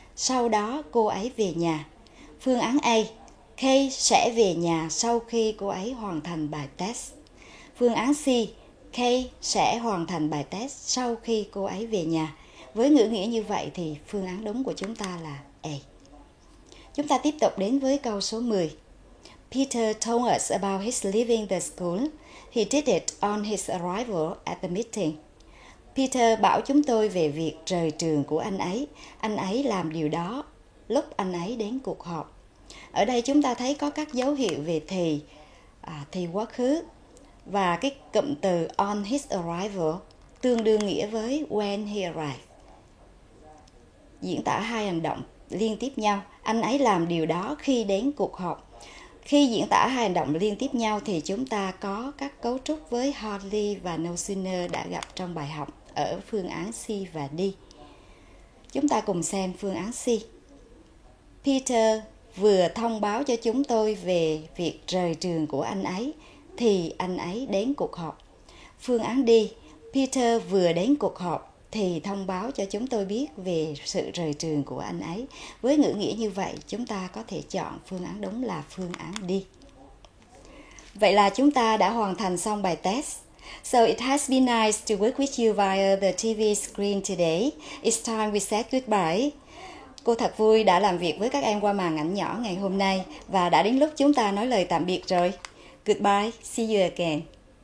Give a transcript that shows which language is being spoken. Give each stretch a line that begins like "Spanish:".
Vietnamese: Sau đó cô ấy về nhà. Phương án A, Kay sẽ về nhà sau khi cô ấy hoàn thành bài test. Phương án C, Kay sẽ hoàn thành bài test sau khi cô ấy về nhà. Với ngữ nghĩa như vậy thì phương án đúng của chúng ta là A. Chúng ta tiếp tục đến với câu số 10.
English: Peter told us about his leaving the school. He did it on his arrival at the meeting.
Vietnamese: Peter bảo chúng tôi về việc rời trường của anh ấy. Anh ấy làm điều đó lúc anh ấy đến cuộc họp. Ở đây chúng ta thấy có các dấu hiệu về thì quá khứ. Và cái cụm từ
English: on his arrival
Vietnamese: tương đương nghĩa với
English: when he arrived.
Vietnamese: Diễn tả hai hành động liên tiếp nhau. Anh ấy làm điều đó khi đến cuộc họp. Khi diễn tả hai hành động liên tiếp nhau thì chúng ta có các cấu trúc với hardly và no sooner đã gặp trong bài học ở phương án C và D. Chúng ta cùng xem phương án C. Peter vừa thông báo cho chúng tôi về việc rời trường của anh ấy thì anh ấy đến cuộc họp. Phương án D, Peter vừa đến cuộc họp thì thông báo cho chúng tôi biết về sự rời trường của anh ấy. Với ngữ nghĩa như vậy, chúng ta có thể chọn phương án đúng là phương án D. Vậy là chúng ta đã hoàn thành xong bài test.
English: So it has been nice to work with you via the TV screen today. It's time we said goodbye.
Vietnamese: Cô thật vui đã làm việc với các em qua màn ảnh nhỏ ngày hôm nay và đã đến lúc chúng ta nói lời tạm biệt rồi.
English: Goodbye, see you again.